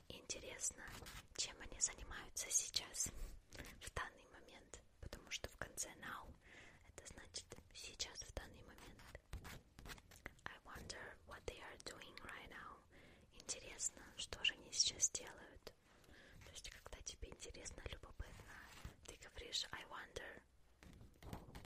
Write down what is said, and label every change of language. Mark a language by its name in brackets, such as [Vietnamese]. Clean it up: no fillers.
[Russian] Интересно, чем они занимаются сейчас, в данный момент, потому что в конце now, это значит сейчас, в данный момент. [English] I wonder what they are doing right now. [Russian] Интересно, что же они сейчас делают. То есть, когда тебе интересно, любопытно, ты говоришь [English] I wonder.